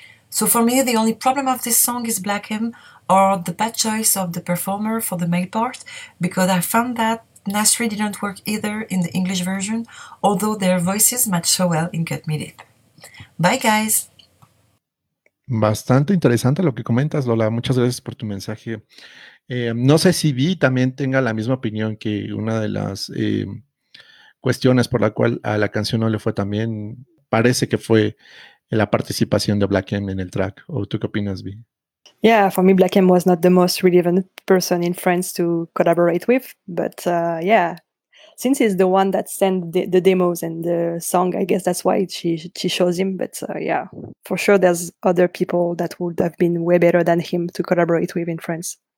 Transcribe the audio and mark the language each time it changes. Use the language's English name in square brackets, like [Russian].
[English] So for me, the only problem of this song is Black M, or the bad choice of the performer for the male part, because I found that Nasri didn't work either in the English version, although their voices match so well in Cut Me Deep. Bye, guys! [Spanish] Bastante interesante lo que comentas, Lola. Muchas gracias por tu mensaje. No sé si Vi también tenga la misma opinión, que una de las cuestiones por la cual a la canción no le fue tan bien parece que fue la participación de Black M en el track. ¿O tú qué opinas, Vi? [English] Yeah, for me, Black M was not the most relevant person in France to collaborate with. But yeah, since he's the one that sent the demos and the song, I guess that's why she chose him. But yeah, for sure, there's other people that would have been way better than him to collaborate with in France.